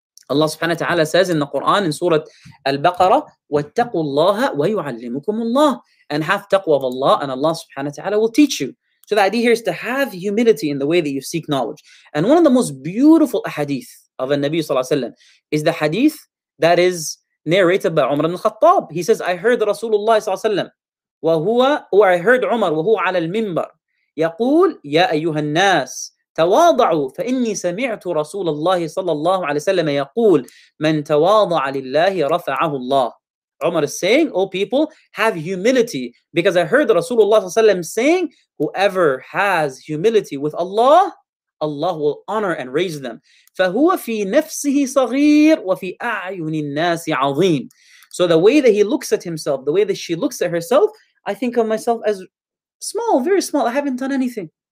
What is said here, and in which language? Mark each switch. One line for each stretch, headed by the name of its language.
English: Allah subhanahu wa ta'ala says in the Quran, in Surah Al-Baqarah,
Arabic: وَاتَّقُوا اللَّهَ وَيُعَلِّمُكُمُ اللَّهِ,
English: and have taqwa of Allah, and Allah subhanahu wa ta'ala will teach you. So the idea here is to have humility in the way that you seek knowledge. And one of the most beautiful hadith of an Nabi sallallahu alayhi wa sallam is the hadith that is narrated by Umar ibn al-Khattab. He says, I heard Rasulullah sallallahu alayhi wa sallam, I heard Umar,
Arabic: وهو على المنبر, يقول, يا أيها الناس, تواضعوا فإني سمعت رسول الله صلى الله عليه وسلم يقول, من تواضع لله رفعه الله.
English: Umar is saying, oh people, have humility, because I heard Rasulullah sallallahu alayhi wa sallam saying, whoever has humility with Allah, Allah will honor and raise them.
Arabic: فَهُوَ فِي نَفْسِهِ صَغِيرٌ وَفِي أَعْيُنِ النَّاسِ عَظِيمٌ.
English: So the way that he looks at himself, the way that she looks at herself, I think of myself as small, very small. I haven't done anything.